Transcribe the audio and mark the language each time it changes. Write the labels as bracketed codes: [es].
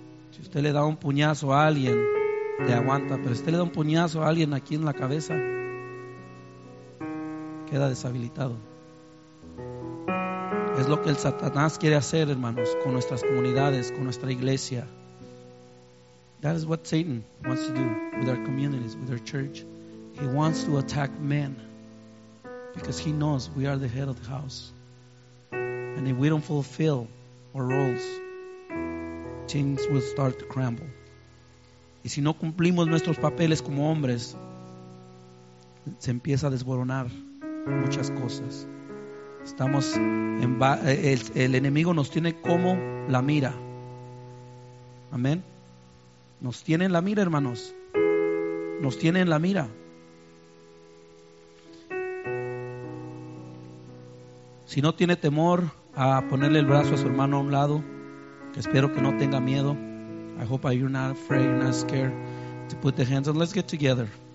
[es] Si usted le da un puñazo a alguien, le aguanta, pero usted le da un puñazo a alguien aquí en la cabeza, queda deshabilitado. Es lo que el Satanás quiere hacer, hermanos, con nuestras comunidades, con nuestra iglesia. [en] That is what Satan wants to do with our communities, with our church. He wants to attack men because he knows we are the head of the house. And if we don't fulfill our roles, things will start to crumble. [es] Y si no cumplimos nuestros papeles como hombres, se empieza a desboronar muchas cosas. Estamos en el enemigo nos tiene como la mira. Amén. Nos tiene en la mira, hermanos. Nos tiene en la mira. Si no tiene temor a ponerle el brazo a su hermano a un lado, que espero que no tenga miedo. [en] I hope you're not afraid, you're not scared to put the hands on. Let's get together.